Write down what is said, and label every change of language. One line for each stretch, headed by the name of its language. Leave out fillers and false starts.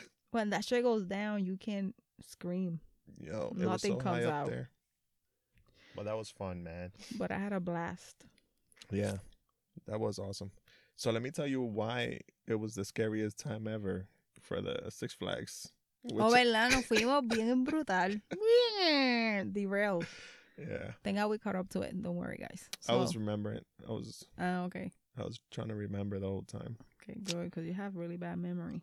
English: When that shit goes down, you can't scream. Yo, nothing it was so comes high up out there. Well, that was fun, man. But I had a blast. Yeah, that was awesome. So let me tell you why it was the scariest time ever for the Six Flags.
Spanish: Oh, verdad, nos fuimos bien brutal.
English: Derailed. Yeah. Thank God we caught up to it. Don't worry, guys. So, I was remembering. I was. Okay. I was trying to remember the whole time. Okay, good, because you have really bad memory.